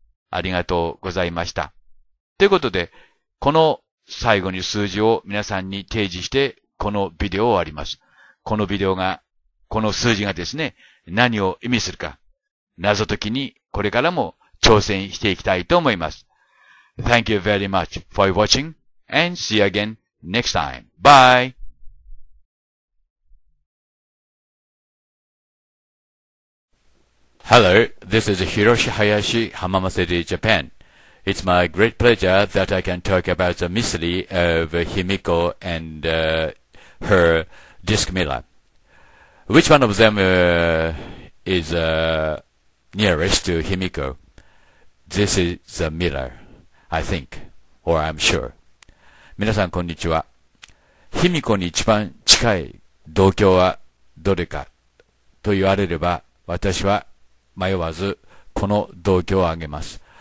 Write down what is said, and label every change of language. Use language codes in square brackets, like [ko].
[ja] ありがとうございました。ということで、この最後に数字を皆さんに提示して、このビデオを終わります。このビデオが、この数字がですね、何を意味するか、謎解きにこれからも挑戦していきたいと思います。 [en] Thank you very much for watching and see you again next time. Bye! Hello, this is Hiroshi Hayashi, Hamamatsuri, Japan. It's my great pleasure that I can talk about the mystery of Himiko and her disc miller. Which one of them is nearest to Himiko? This is the miller, I think, or I'm sure. [ja] 皆さんこんにちは。 Himiko に一番近い銅鏡はどれかと言われれば、私は迷わずこの銅鏡をあげます。